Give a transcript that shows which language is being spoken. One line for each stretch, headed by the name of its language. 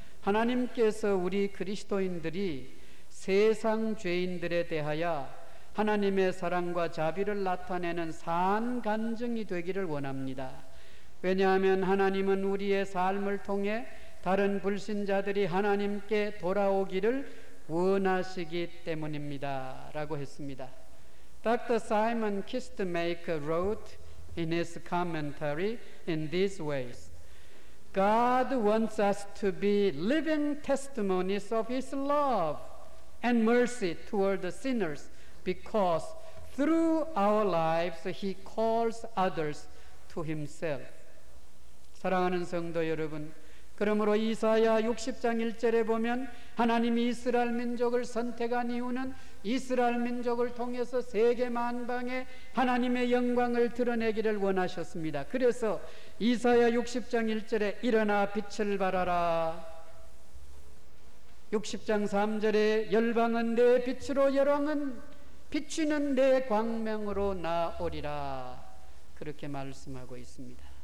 Korean: 하나님께서 우리 그리스도인들이 세상 죄인들에 대하여 하나님의 사랑과 자비를 나타내는 산 간증이 되기를 원합니다. 왜냐하면 하나님은 우리의 삶을 통해 다른 불신자들이 하나님께 돌아오기를 원하시기 때문입니다 라고 했습니다.
English: Dr. Simon Kistemaker wrote in his commentary in these ways: God wants us to be living testimonies of his love and mercy toward the sinners, because through our lives he calls others to himself.
Korean: 사랑하는 성도 여러분, 그러므로 이사야 60장 1절에 보면 하나님이 이스라엘 민족을 선택한 이유는 이스라엘 민족을 통해서 세계 만방에 하나님의 영광을 드러내기를 원하셨습니다. 그래서 이사야 60장 1절에 일어나 빛을 발하라, 60장 3절에 열방은 내 빛으로 열왕은 비추는 내 광명으로 나오리라, 그렇게 말씀하고 있습니다.